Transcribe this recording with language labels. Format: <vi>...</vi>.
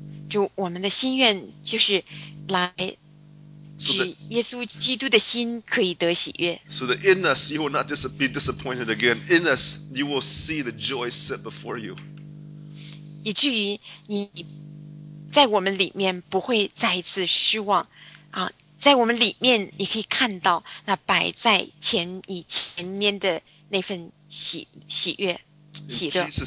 <zh>主，我们的心愿就是来</zh> <en>So that,</en> <zh>使耶稣基督的心可以得喜悦。</zh> <en>So that in us you will not be disappointed again. In us you will see the joy set before you.</en> <zh>以至于你在我们里面不会再一次失望，在我们里面你可以看到那摆在前面的那份喜悦喜乐。</zh>